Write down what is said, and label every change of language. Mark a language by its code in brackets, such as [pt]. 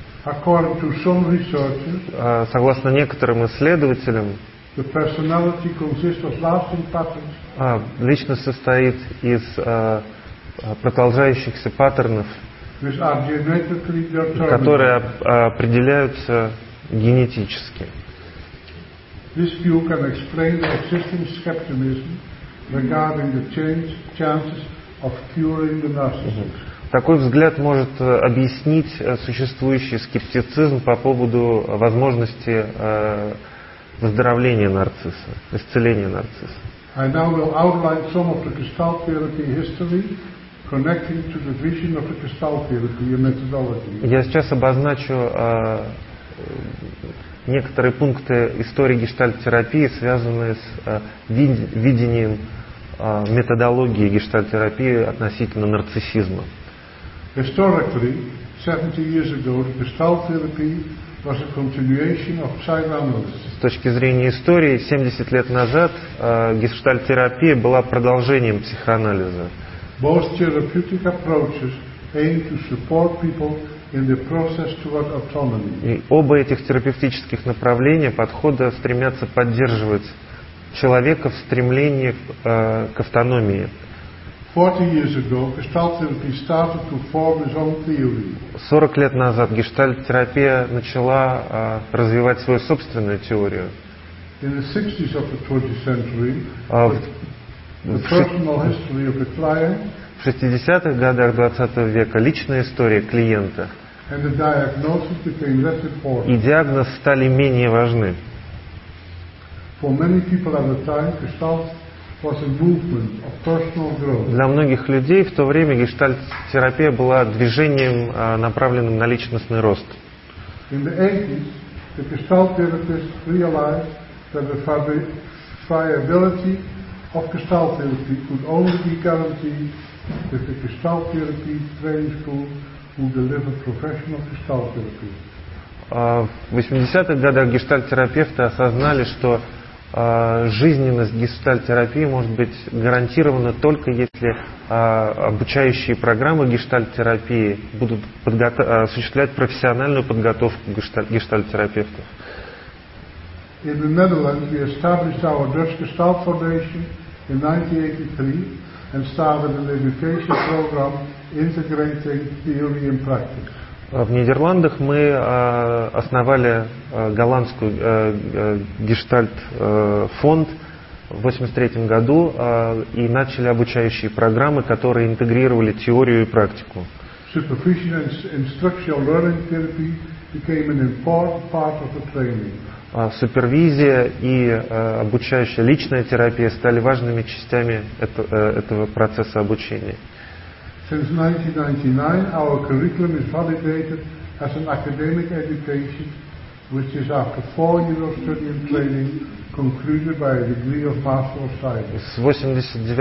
[en] According to some researchers, [ru] согласно некоторым исследователям, [en] the personality consists of lasting patterns. [ru] Личность состоит из продолжающихся паттернов, [en] which are genetically determined. [ru] Которые определяются генетически. [en] This view can explain the existing skepticism regarding the chances of curing the narcissism. [ru] Такой взгляд может объяснить существующий скептицизм по поводу возможности выздоровления нарцисса, исцеления нарцисса. [en] I now will outline some of the Gestalt therapy history connecting to the vision of the Gestalt therapy methodology. [ru] Я сейчас обозначу некоторые пункты истории гештальт-терапии, связанные с видением методологии гештальт-терапии относительно нарциссизма. [en] Historically, 70 years ago, gestalt therapy was a continuation of psychoanalysis. [ru] С точки зрения истории, 70 лет назад гештальт-терапия была продолжением психоанализа. [en] Both therapeutic approaches aim to support people in the process toward autonomy. [ru] И оба этих терапевтических направления подхода стремятся поддерживать человека в стремлении к автономии. [en] 40 years ago, gestalt therapy started to form its own theory. [ru] 40 лет назад гештальт-терапия начала развивать свою собственную теорию. [en] In the 60s of the 20th century, the personal history of the client. [ru] В 60-х годах 20 века личная история клиента [en] and the diagnosis became less important. [ru] И диагноз стали менее важны. [en] For many people at the time, gestalt was a movement of personal growth. [ru] Для многих людей в то время гештальт-терапия была движением, направленным на личностный рост. [en] In the 80s, the gestalt therapists realized that the viability of gestalt therapy could only be guaranteed if the gestalt therapy training school who deliver professional gestalt therapy. [ru] В 80-х годах гештальт-терапевты осознали, что жизненность гештальт-терапии может быть гарантирована только если обучающие программы гештальт-терапии будут осуществлять профессиональную подготовку гештальт-терапевтов. [en] In the Netherlands, we established our Dutch Gestalt Foundation in 1983 and started an education program integrating theory and practice. [ru] В Нидерландах мы основали голландскую гештальт фонд в 83 году и начали обучающие программы, которые интегрировали теорию и практику. [en] Supervision and instructional learning therapy became an important part of the training. [ru] Супервизия и обучающая личная терапия стали важными частями этого процесса обучения. [en] Since 1999, our curriculum is validated as an academic education, which is after 4 years of study and training, concluded by a degree of Master of Science.